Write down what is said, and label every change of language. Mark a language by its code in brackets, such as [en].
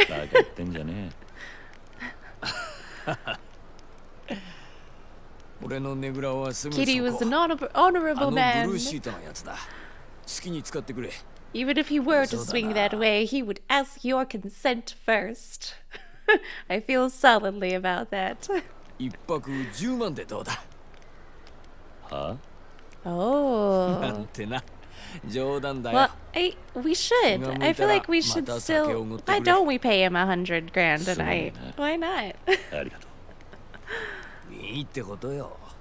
[ja] バカ言ってんじゃねえ。俺のねぐらはすぐそこ。Kitty [en] was an honorable man. [ja] あのブルーシートのやつだ。好きに使ってくれ。 [en] Even if he were to swing that way, he would ask your consent first. I feel solidly about that. [ja] 一泊10万でどうだ? [en] Huh? Oh. [ja] なんてな。冗談だよ。 [en] Well, we should. I feel like we should still... Why don't we pay him 100 grand a night? Why not? [ja] ありがとう。いいってことよ。